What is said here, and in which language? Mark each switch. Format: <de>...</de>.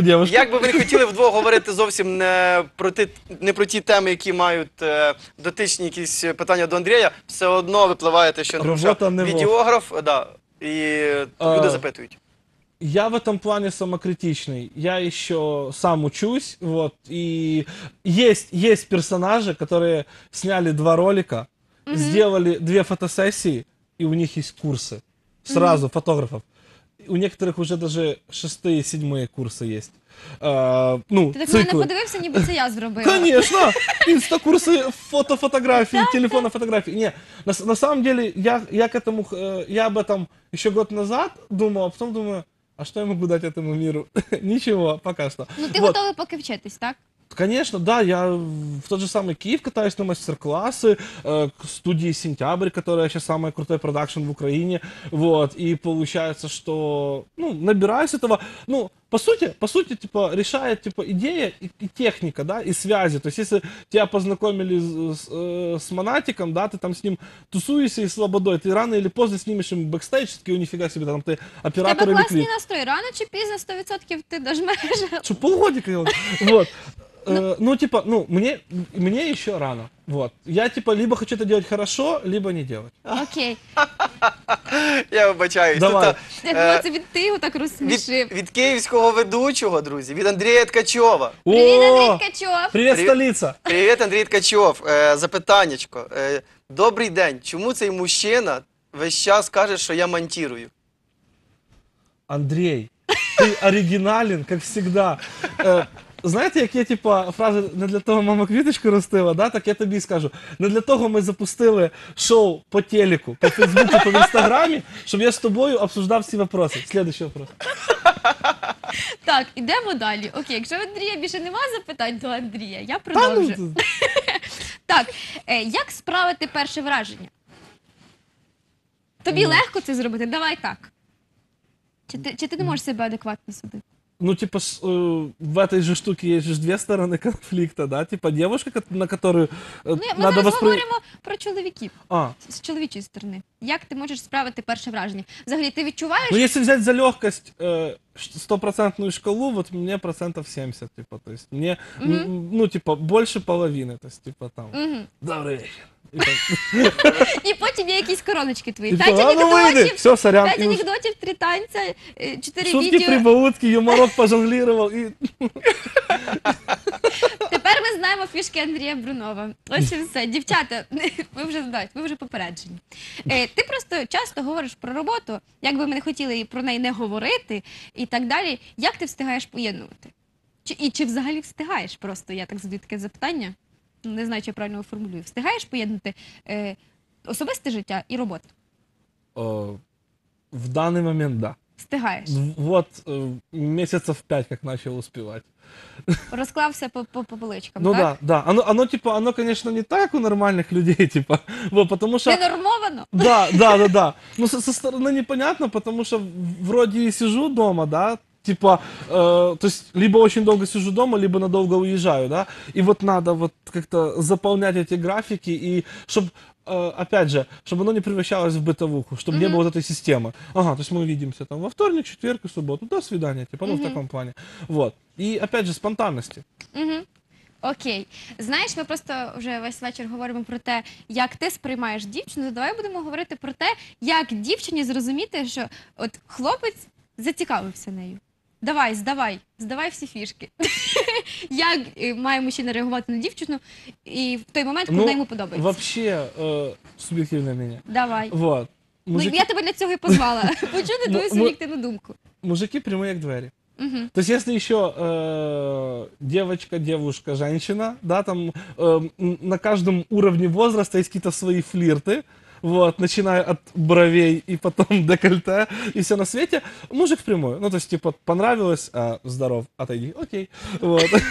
<uk>Як би ви не хотіли вдвох говорити зовсім не про ті теми, які мають дотичні якісь питання до Андрія, все одно випливаєте, що відеограф, і люди запитують.</uk> <ru>Я в этом плане самокритичный. Я еще сам учусь, вот, и есть персонажи, которые сняли 2 ролика, mm-hmm. сделали 2 фотосессии, и у них есть курсы. Сразу mm-hmm. фотографов. у некоторых уже даже шестые, седьмые курсы есть.</ru> <uk>Ти так мене подивився, ніби це я зробила. Звісно, інстакурси, фотофотографії, телефонофотографії.</uk> <ru>Ні, на самом деле, я к этому, я об этом ще год назад думав,</ru> <uk>а потім думаю, а що я можу дати цьому міру? Нічого, поки що. Ну ти готовий поки вчитись, так?</uk> <ru>Конечно, да, я в тот же самый Киев катаюсь на мастер-классы, к студии «Сентябрь», которая сейчас самый крутой продакшн в Украине, вот, и получается, что, ну, набираюсь этого, ну, по сути, типа, решает, типа, идея и техника, да, и связи, то есть, если тебя познакомили с Монатиком, да, ты там с ним тусуешься и слободой, ты рано или поздно снимешь им бэкстейдж, такие, нифига себе, там ты оператор или клип. У тебя классный настрой, рано чи поздно, 100% ты дожмешь. Что, полгодика, вот. Ну, типа, ну, мне еще рано. Вот. Я, типа, либо хочу это делать хорошо, либо не делать. Окей.</ru> <uk>Я вибачаюсь. Давай. Це від ти його так розсмішив. Від київського ведучого, друзі, від Андрія Ткачова. Привіт, Андрій Ткачов. Привіт, столиця. Привіт, Андрій Ткачов. Запитаннячко. Добрий день. Чому цей мужчина весь час каже, що я монтирую? Андрій, ти оригінален, як завжди. Знаєте, як є, типа, фраза «не для того мама квіточку ростила», да? Так я тобі скажу, не для того ми запустили шоу по телеку, по фейсбуку, по інстаграмі, щоб я з тобою обсуждав всі питання. Слідуючий питання. Так, йдемо далі. Окей, якщо в Андрія більше нема запитань, то Андрія, я продовжу. Та, ну, так, як справити перше враження? Тобі легко це зробити? Давай так. Чи ти не можеш себе адекватно судити?</uk> <ru>Ну, типа, в этой же штуке есть же две стороны конфликта, да? Типа, девушка, на которую надо воспринимать...</ru> <uk>Ну, мы зараз говорим про чоловіків. А. С чоловічої сторони. Як ти можеш справити перше враження? Взагалі, ти відчуваєш...</uk> <ru>Ну, если взять за легкость 100% шкалу, вот мне процентов 70, типа, то есть мне, ну, типа, больше половины, то есть, типа, там, добрый вечер.</ru> <uk>І потім є якісь короночки твої. П'ять анекдотів, три танця, чотири відео. Шутки, прибаутки, юморок пожонглірував. Тепер ми знаємо фішки Андрія Брунова. Ось і все. Дівчата, ви вже попереджені. Ти просто часто говориш про роботу, як би ми не хотіли про неї не говорити і так далі. Як ти встигаєш поєднувати? Чи взагалі встигаєш просто? Я так задаю таке запитання. Не знаю, чи я правильно його формулюю. Встигаєш поєднати особисте життя і роботу? В даний момент, да. Встигаєш? От місяців 5, як почав успівати. Розклався по поличкам, ну, так? Ну, да, так. Да. Оно, типу, оно, звісно, не так, як у нормальних людей, типу.</uk> <ru>Потому що...</ru> <uk>Ненормовано?</uk> <ru>Да, да, да, да. Ну, со стороны непонятно, потому что вроде и сижу дома, да, типа, то есть, либо очень долго сижу дома, либо надолго уезжаю, да, и вот надо вот как-то заполнять эти графики, и чтобы, опять же, чтобы оно не превращалось в бытовуху, чтобы не было вот этой системы. Ага, то есть мы увидимся там во вторник, четверг и субботу, до свидания, типа, ну, в таком плане, вот, и опять же, спонтанности. Окей.</ru> <uk>Знаєш, ми просто вже весь вечір говоримо про те, як ти сприймаєш дівчину, давай будемо говорити про те, як дівчині зрозуміти, що от хлопець зацікавився нею. Давай, здавай всі фішки. Як має мужчина реагувати на дівчину і в той момент, коли йому подобається? Ну, взагалі, суб'єктивне мнення. Давай. Вот. Мужики... Ну, я тебе для цього і позвала. Почути твою суб'єктивну думку. Мужики прямі, як двері.</uk> <ru>То есть, если еще девочка, девушка, женщина, да, там на каждом уровне возраста есть какие-то свои флирты, вот, начиная от бровей и потом декольте, и все на свете, мужик впрямую. Ну, то есть, типа, понравилось, здоров, отойди, окей, вот.</ru>